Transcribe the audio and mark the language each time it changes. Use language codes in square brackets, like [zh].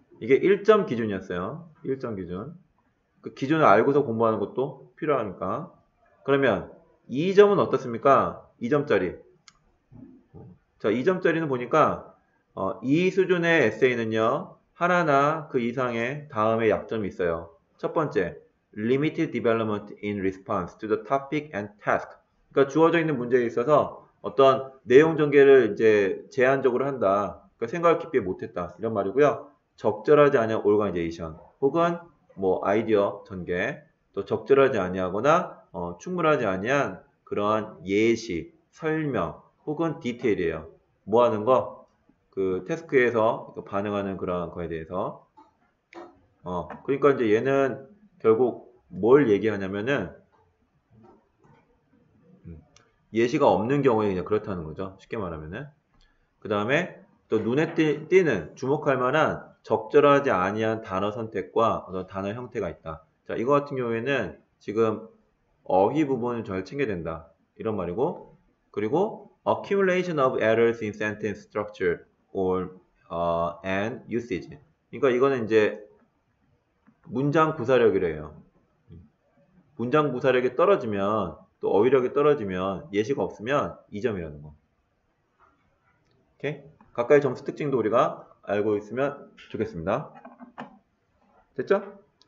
[ko] 이게 1점 기준이었어요. 1점 기준. 그 기준을 알고서 공부하는 것도 필요하니까. 그러면 2점은 어떻습니까? 2점짜리. 자, 2점짜리는 보니까 이 수준의 에세이는요. 하나나 그 이상의 다음에 약점이 있어요. 첫 번째, [en] limited development in response to the topic and task. [ko] 그러니까 주어져 있는 문제에 있어서 어떤 내용 전개를 이제 제한적으로 한다. 생각을 깊이 못했다 이런 말이고요. 적절하지 않은 organization 혹은 뭐 아이디어 전개 또 적절하지 아니하거나 충분하지 아니한 그러한 예시 설명 혹은 디테일이에요. 뭐 하는 거? 그 태스크에서 반응하는 그러한 거에 대해서. 그러니까 이제 얘는 결국 뭘 얘기하냐면은 예시가 없는 경우에 그냥 그렇다는 거죠. 쉽게 말하면은. 그 다음에 또 눈에 띄는 주목할 만한 적절하지 아니한 단어 선택과 어떤 단어 형태가 있다. 자, 이거 같은 경우에는 지금 어휘 부분을 잘 챙겨야 된다. 이런 말이고. 그리고 [en] accumulation of errors in sentence structure or and usage. [ko] 그러니까 이거는 이제 문장 구사력이래요. 문장 구사력이 떨어지면 또 어휘력이 떨어지면 예시가 없으면 2점이라는 거. 오케이? 각각의 점수 특징도 우리가 알고 있으면 좋겠습니다. 됐죠?